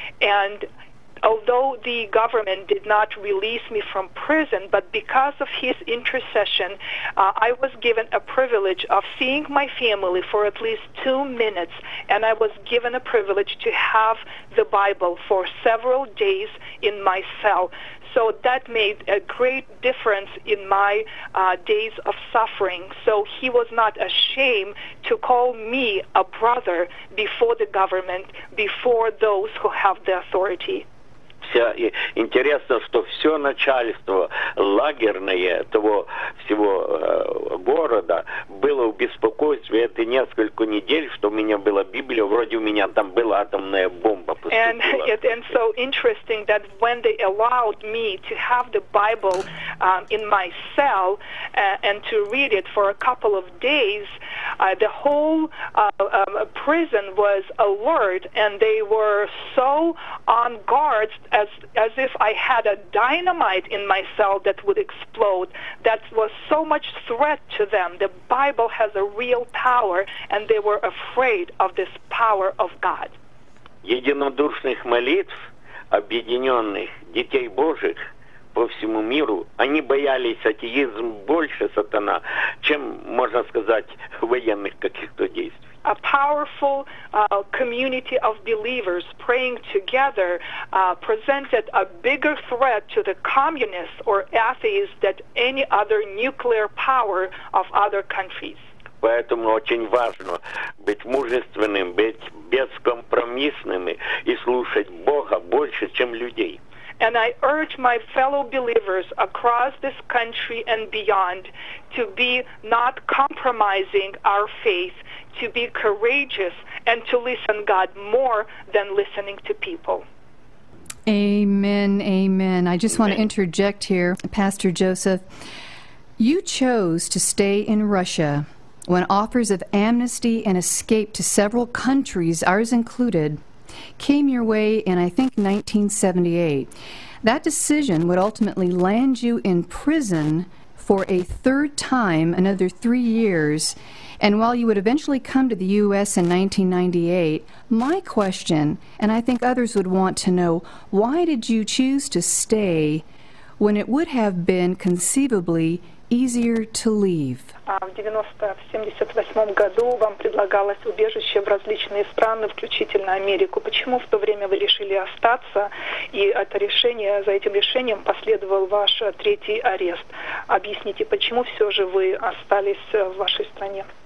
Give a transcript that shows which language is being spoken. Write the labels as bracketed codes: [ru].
[en] And although the government did not release me from prison, but because of his intercession, I was given a privilege of seeing my family for at least 2 minutes, and I was given a privilege to have the Bible for several days in my cell. So that made a great difference in my days of suffering. So he was not ashamed to call me a brother before the government, before those who have the authority. [ru] Интересно, что все начальство лагерное того всего города было в беспокойстве эти несколько недель, что у меня была Библия, вроде у меня там была атомная бомба поступила. [en] And so interesting that when they allowed me to have the Bible in my cell and to read it for a couple of days, the whole prison was alert and they were so on guard as if I had a dynamite in my cell that would explode. That was so much threat to them. The Bible has a real power, and they were afraid of this power of God. [ru] Единодушных молитв, объединенных детей Божьих по всему миру, они боялись атеизм больше сатана, чем, можно сказать, военных каких-то действий. [en] A powerful community of believers praying together presented a bigger threat to the communists or atheists than any other nuclear power of other countries. [ru] Поэтому очень важно быть мужественным, быть бескомпромиссными и слушать Бога больше, чем людей. [en] And I urge my fellow believers across this country and beyond to be not compromising our faith, to be courageous, and to listen to God more than listening to people. Amen, amen. I just want to interject here, Pastor Joseph. You chose to stay in Russia when offers of amnesty and escape to several countries, ours included, came your way in, I think, 1978. That decision would ultimately land you in prison for a third time, another 3 years. And while you would eventually come to the U.S. in 1998, my question, and I think others would want to know, why did you choose to stay when it would have been conceivably easier to leave? [ru] В 1978 году вам предлагалось убежище в различные страны, включительно Америку. Почему в то время вы решили остаться, и это решение, за этим решением последовал ваш третий арест? Объясните, почему все же вы остались в вашей стране?